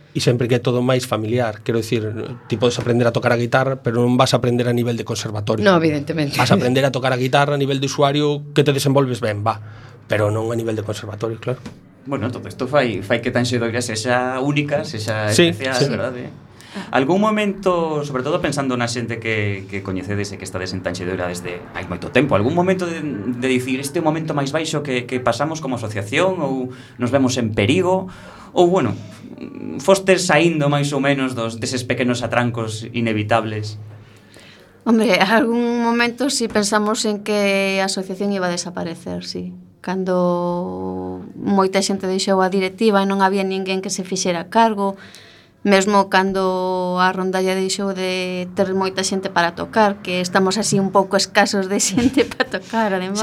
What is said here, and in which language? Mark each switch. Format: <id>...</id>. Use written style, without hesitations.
<es>Y siempre que todo más familiar. Quiero decir, te puedes aprender a tocar a guitarra, pero no vas a aprender a nivel de conservatorio. No, evidentemente. Vas a aprender a tocar a guitarra a nivel de usuario que te desenvolves bien, va. Pero no a nivel de conservatorio, claro. Bueno, entonces esto fai que Tanxe Doia sea única, sea especial, sí, sí. ¿Verdad?</es> <gl>Algún momento, sobre todo pensando na xente que coñecedes e que estades en Tanxe Doia desde hai moito tempo, algún momento de dicir este momento máis baixo que pasamos como asociación ou nos vemos en perigo, ou bueno, foste saindo máis ou menos deses pequenos atrancos inevitables? Hombre, algún momento si pensamos en que a asociación iba a desaparecer, sí. Cando moita xente deixou a directiva e non había ninguén que se fixera cargo, mesmo cando a rondalla deixou de ter moita xente para tocar, que estamos así un pouco escasos de xente para tocar, ademais.</gl>